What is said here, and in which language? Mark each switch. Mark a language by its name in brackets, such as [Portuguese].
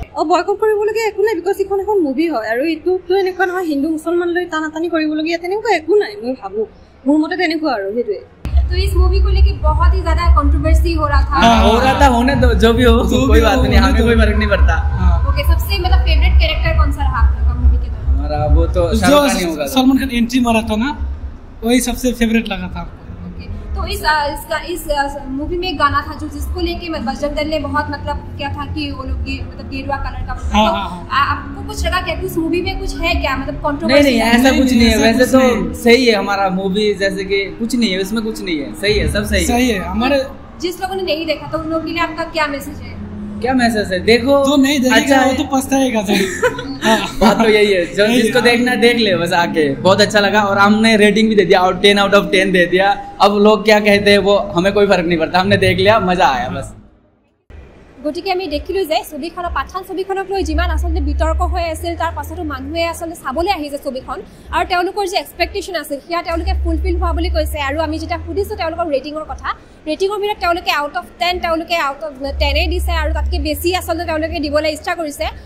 [Assamese] Boycott কৰিবলগীয়া একো নাই বিকজ এইখন এখন মুভি হয় আৰু এইটোতো এনেকুৱা নহয় হিন্দু মুছলমান লৈ টানাটানি কৰিবলগীয়া তেনেকুৱা একো নাই মই ভাবো মোৰ মতে তেনেকুৱা আৰু সেইটোৱে [Hindi] तो इस मूवी को लेके बहुत ही ज्यादा कंट्रोवर्सी हो रहा था हो रहा था होने दो जो भी हो कोई बात नहीं हमें कोई फर्क नहीं पड़ता ओके सबसे मतलब फेवरेट कैरेक्टर कौन सा रहा हमारा वो तो शाहरुख खान होगा सलमान खान एंट्री मारा था ना वही सबसे फेवरेट लगा था तो इस मूवी में एक गाना था जो जिसको लेके बजरंग दल ने बहुत मतलब क्या था कि वो लोग मतलब गेरुआ कलर का आपको कुछ लगा क्या कि उस मूवी में कुछ है क्या मतलब कंट्रोवर्सी नहीं नहीं ऐसा कुछ नहीं है वैसे तो सही है हमारा मूवी जैसे कि कुछ नहीं है उसमें कुछ नहीं है सही है सब सही है हमारे जिस लोगों ने नहीं देखा तो उन लोगों के लिए आपका क्या मैसेज है क्या महसूस है? देखो जो नहीं देखेगा अच्छा वो तो पछताएगा सर। बात तो यही है, जो जिसको देखना देख ले बस आके। बहुत अच्छा लगा और हमने रेटिंग भी दे दिया, 10 out of 10 दे दिया। अब लोग क्या कहते हैं वो हमें कोई फर्क नहीं पड़ता, हमने देख लिया, मजा आया बस। [Assamese] গতিকে আমি দেখিলোঁ যে ছবিখনৰ পাঠান ছবিখনক লৈ যিমান আচলতে বিতৰ্ক হৈ আছিল, তাৰ পাছতো মানুহে আচলতে চাবলৈ আহিছে ছবিখন, আৰু তেওঁলোকৰ যি এক্সপেক্টেশ্যন আছিল সেয়া তেওঁলোকে ফুলফিল হোৱা বুলি কৈছে। আৰু আমি যেতিয়া সুধিছোঁ তেওঁলোকৰ ৰেটিঙৰ কথা, ৰেটিঙৰ ভিতৰত তেওঁলোকে 10 out of 10 তেওঁলোকে 10 দিছে, আৰু তাতকৈ বেছি আচলতে তেওঁলোকে দিবলৈ ইচ্ছা কৰিছে।